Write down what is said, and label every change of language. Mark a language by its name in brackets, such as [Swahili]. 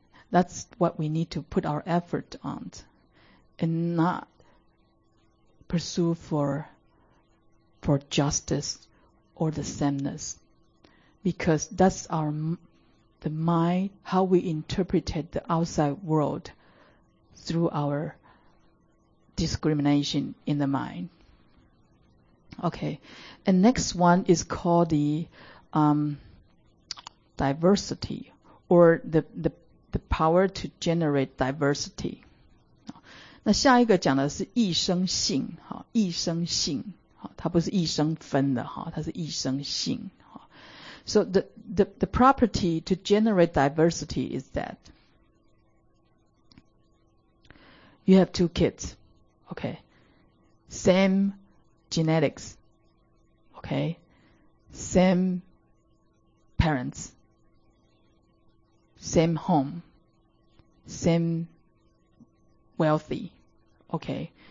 [English] That's what we need to put our effort on, and not pursue for justice or the sameness, because that's the mind, how we interpret the outside world through our discrimination in the mind. Okay, and next one is called the diversity, or the power to generate diversity. [Chinese] 那下一个讲的是益生性，好，益生性。它不是益生分的，它是益生性。 [English] So the property to generate diversity is that you have two kids, okay, same genetics, okay, same parents, same home, same wealthy, okay.